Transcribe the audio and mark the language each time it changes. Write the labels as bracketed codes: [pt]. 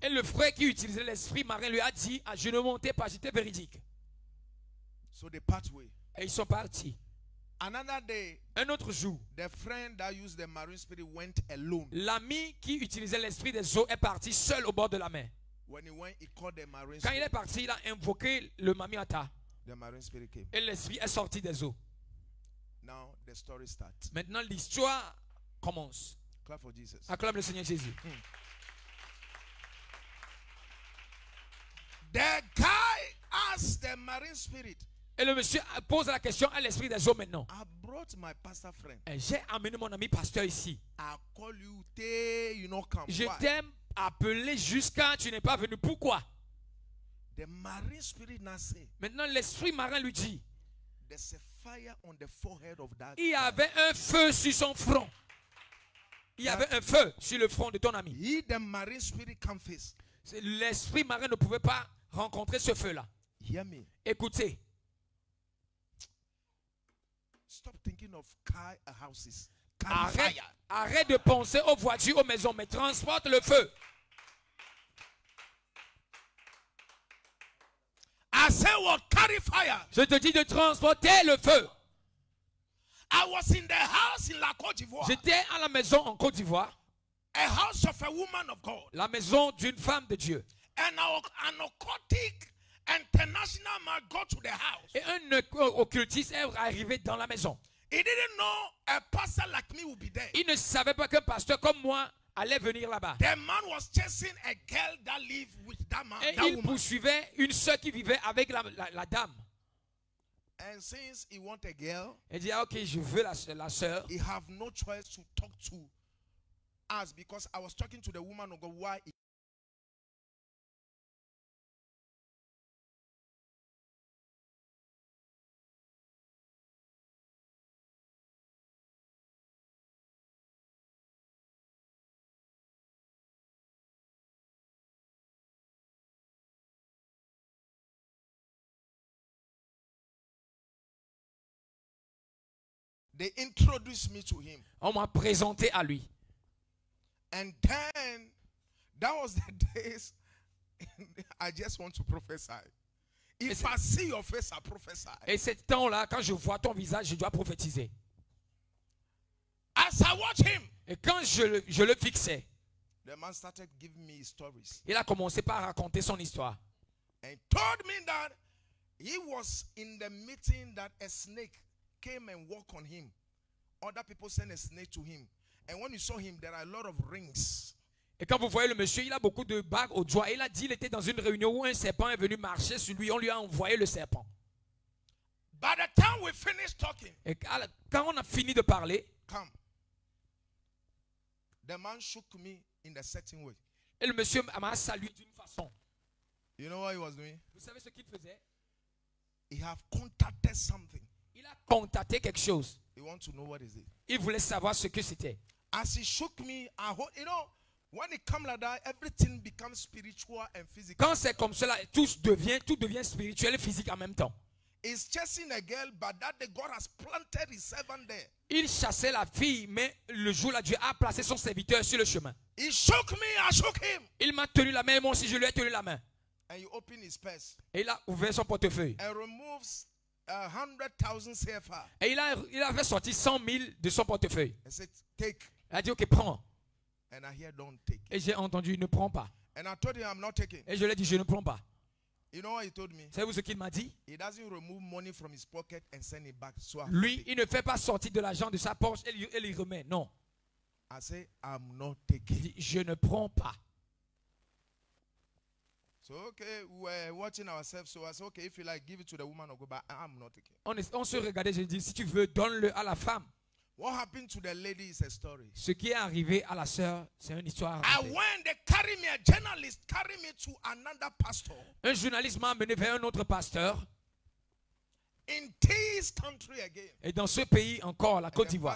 [fr] Et le frère qui utilisait l'esprit marin lui a dit, ah, je ne mentais pas, j'étais véridique. [en] So they part away. [fr] Et ils sont partis. [en] Another day, [fr] un autre jour, [en] the friend that used the marine spirit went alone. [fr] L'ami qui utilisait l'esprit des eaux est parti seul au bord de la mer. [en] When he went, he called the marine [fr] spirit. Quand il est parti, il a invoqué le Mamiata. [en] The marine spirit came. [fr] Et l'esprit est sorti des eaux. [en] Now the story starts. [fr] Maintenant l'histoire commence. [en] Clap for Jesus. [fr] Acclame le Seigneur Jésus. Mm. [en] The guy asked the marine spirit. [fr] Et le monsieur pose la question à l'esprit des eaux maintenant. [en] I brought my pastor friend. [fr] Et j'ai amené mon ami pasteur ici. [en] I call you, you not come. [fr] Je t'ai appelé jusqu'à tu n'es pas venu. Pourquoi? [en] The marine spirit now say. [fr] Maintenant l'esprit marin lui dit. [en] There's a fire on the forehead of that. [fr] Il y avait un feu sur son front. Il y avait un feu sur le front de ton ami. [en] He, the marine spirit can't face. [fr] C'est l'esprit marin ne pouvait pas rencontrer ce feu là. [en] Hear me. [fr] Écoutez. [en] Stop thinking of car houses. [fr] Arrête de penser aux voitures, aux maisons, mais transporte le feu. [en] I said, well, carry fire. [fr] Je te dis de transporter le feu. [en] I was in the house in La Côte d'Ivoire. [fr] J'étais à la maison en Côte d'Ivoire. [en] A house of a woman of God. [fr] La maison d'une femme de Dieu. [en] And an narcotic international man got to the house. [fr] Et un occultiste est arrivé dans la maison. [en] He didn't know a pastor like me would be there. [fr] Il ne savait pas qu'un pasteur comme moi allait venir là-bas. [en] The man was chasing a girl that lived with that man. [fr] Et [en] that [fr] il [en] woman. [fr] Poursuivait une sœur qui vivait avec la dame. [en] And since he want a girl, [fr] il dit, ah, ok, je veux la sœur. [en] He have no choice to talk to us because I was talking to the woman of God. Why? They introduced me to him. [fr] On m'a présenté à lui. [en] And then, that was the days I just want to prophesy. If I see your face, I prophesy. [fr] Et ce temps-là, quand je vois ton visage, je dois prophétiser. [en] As I watch him. [fr] Et quand je le fixais. [en] The man started giving me stories. [fr] Il a commencé par raconter son histoire. [en] And told me that he was in the meeting that a snake came and walked on him. Other people sent a snake to him. And when you saw him, there are a lot of rings. [fr] Et quand vous voyez le monsieur, il a beaucoup de bagues au doigt. Il a dit, il était dans une réunion où un serpent est venu marcher sur lui. On lui a envoyé le serpent. [en] By the time we finish talking, [fr] et quand on a fini de parler, [en] come. The man shook me in a certain way. [fr] Et le monsieur m'a salué d'une façon. [en] You know what he was doing? [fr] Vous savez ce qu'il faisait? [en] He have contacted something. [fr] Il a contacté quelque chose. [en] He want to know what is it. [fr] Il voulait savoir ce que c'était. [en] As he shook me, I hold, you know, when it comes like that, everything becomes spiritual and physical. [fr] Quand c'est comme cela, tout devient spirituel et physique en même temps. [en] He's chasing a girl, but that the God has planted his servant there. [fr] Il chassait la fille, mais le jour-là, Dieu a placé son serviteur sur le chemin. [en] He shook me, I shook him. [fr] Il m'a tenu la main, moi aussi je lui ai tenu la main. [en] And he opened his purse. [fr] Et il a ouvert son portefeuille. [en] And removes 100,000 CFR. [fr] Et il avait sorti 100 000 de son portefeuille. [en] He said, take. [fr] Il a dit, ok, prends. [en] And I hear, don't take. [fr] Et j'ai entendu, ne prends pas. [en] And I told him, I'm not taking. [fr] Et je lui ai dit, je ne prends pas. [en] You know what he told me? [fr] Savez-vous ce qu'il m'a dit? [en] He doesn't remove money from his pocket and send it back. So [fr] lui, il ne fait pas sortir de l'argent de sa poche et il remet. Non. [en] I say, I'm not taking. [fr] Je ne prends pas. [en] So okay, we're watching ourselves. So I say, okay, if you like, give it to the woman or go back. I'm not taking. [fr] On se regardait. Je dis, si tu veux, donne-le à la femme. [en] What happened to the lady is a story. [fr] Ce qui est arrivé à la sœur, c'est une histoire. [en] I went, they carry me, a journalist carry me to another pastor. [fr] Un journaliste m'a amené vers un autre pasteur. [en] In this country again. [fr] Et dans ce pays encore, la Côte d'Ivoire.